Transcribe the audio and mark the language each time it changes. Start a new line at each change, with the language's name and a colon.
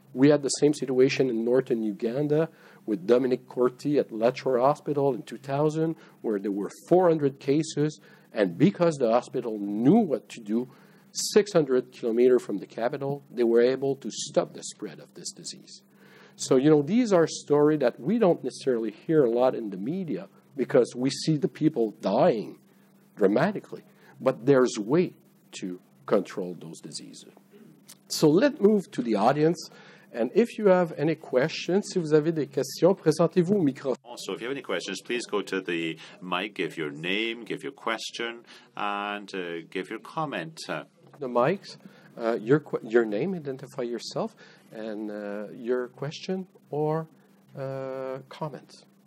English: We had the same situation in northern Uganda with Dominic Corti at Letcher Hospital in 2000, where there were 400 cases, and because the hospital knew what to do, 600 kilometers from the capital, they were able to stop the spread of this disease. So, you know, these are stories that we don't necessarily hear a lot in the media because we see the people dying dramatically. But there's a way to control those diseases. So let's move to the audience. And if you have any questions,
French: si vous avez des questions, présentez-vous au micro.
English: Also, if you have any questions, please go to the mic, give your name, give your question, and give your comment. The mics, your name, identify yourself, and your question or comments.